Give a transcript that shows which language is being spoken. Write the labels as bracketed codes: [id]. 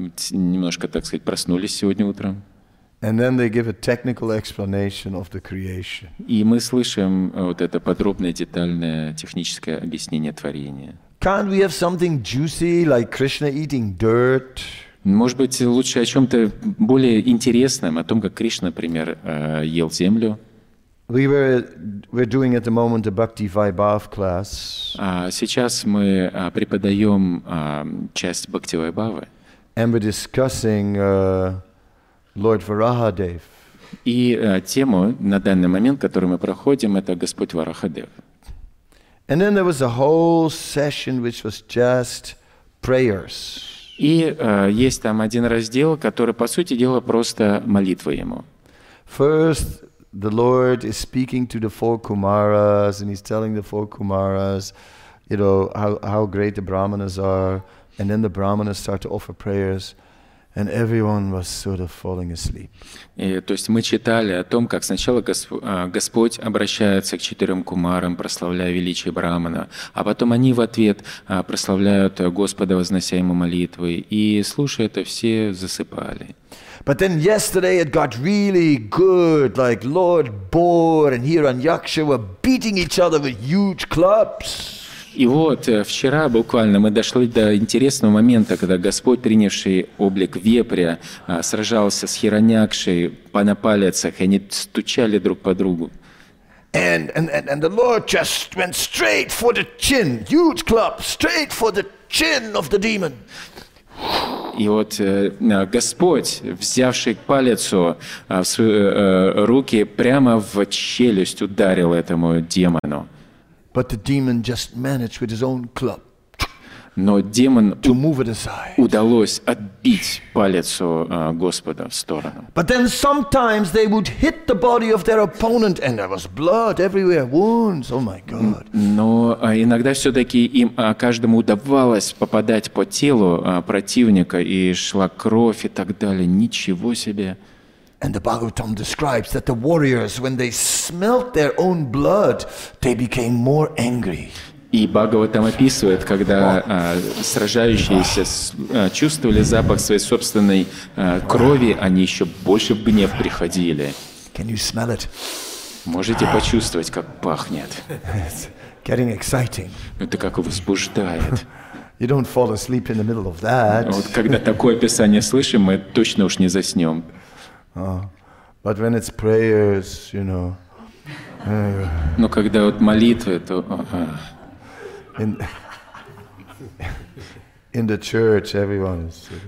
[ru] Немножко, так сказать, проснулись сегодня утром. [en] And then they give a technical explanation of the creation. [ru] И мы слышим вот это подробное, детальное, техническое объяснение творения. [en] Can't we have something juicy like Krishna eating dirt? [ru] Может быть, лучше о чем-то более интересном, о том, как Кришна, например, ел землю. [en] We're doing at the moment a Bhakti Vaibhav class. [ru] Сейчас мы преподаем часть Бхакти Вайбавы. [en] And we're discussing Lord Varahadev. [ru] И тему на данный момент, которую мы проходим, это Господь Варахадев. [en] And then there was a whole session which was just prayers. [ru] И есть там один раздел, который, по сути дела, просто молитва ему. [en] First, the Lord is speaking to the four Kumaras, and he's telling the four Kumaras, you know, how great the Brahmanas are, and then the Brahmanas start to offer prayers. And everyone was sort of falling asleep. [ru] То есть мы читали о том, как сначала Господь обращается к четырем кумарам, прославляя величие Брахмана, а потом они в ответ прославляют Господа, вознося ему молитвы, и слушая это, все засыпали. [en] But then yesterday it got really good, like Lord Bor and Hiranyaksha were beating each other with huge clubs. [ru] И вот вчера буквально мы дошли до интересного момента, когда Господь, принявший облик вепря, сражался с Хираньякшей на палецах, и они стучали друг по другу. [en] And the Lord just went straight for the chin, huge club, straight for the chin of the demon. [ru] И вот Господь, взявший палец в свои руки, прямо в челюсть ударил этому демону. [en] But the demon just managed with his own club. [ru] Но демон [en] to move it aside. [ru] Удалось отбить палец Господа в сторону. [en] But then sometimes they would hit the body of their opponent, and there was blood everywhere, wounds. Oh my God! [ru] Но иногда все-таки им каждому удавалось попадать по телу противника, и шла кровь и так далее. Ничего себе! [en] And the Bhagavatam describes that the warriors, when they smelt their own blood, they became more angry. [ru] И Бхагаватам описывает, когда сражающиеся чувствовали запах своей собственной крови, они еще больше в гнев приходили. [en] Can you smell it? [ru] Можете почувствовать, как пахнет? [en] It's getting exciting. [ru] Это как возбуждает. [en] You don't fall asleep in the middle of that. [ru] Вот когда такое описание слышим, мы точно уж не заснем. [en] But when it's prayers, you know. [ru] Но когда вот молитвы, то. [en] In the church, everyone is.